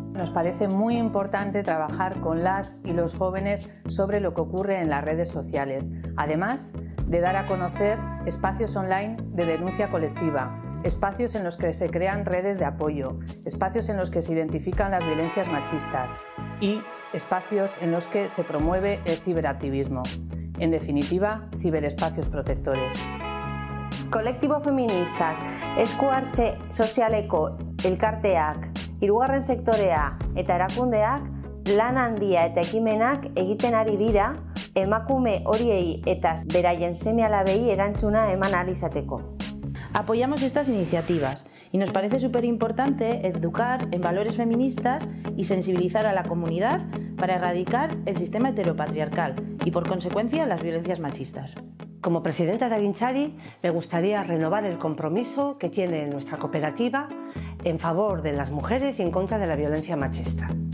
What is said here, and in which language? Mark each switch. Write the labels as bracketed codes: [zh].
[es] Nos parece muy importante trabajar con las y los jóvenes sobre lo que ocurre en las redes sociales, además de dar a conocer espacios online de denuncia colectiva, espacios en los que se crean redes de apoyo, espacios en los que se identifican las violencias machistas y espacios en los que se promueve el ciberactivismo. En definitiva, ciberespacios protectores. [eu] Kolektibo feministak, eskuartze sozialeko elkarteak, hirugarren sektorea eta erakundeak lan handia eta ekimenak egiten ari dira emakume horiei eta beraien semealabei erantzuna eman ahal izateko. [es] Apoyamos estas iniciativas y nos parece súper importante educar en valores feministas y sensibilizar a la comunidad para erradicar el sistema heteropatriarcal y, por consecuencia, las violencias machistas. Como presidenta de Aguintzari, me gustaría renovar el compromiso que tiene nuestra cooperativa en favor de las mujeres y en contra de la violencia machista.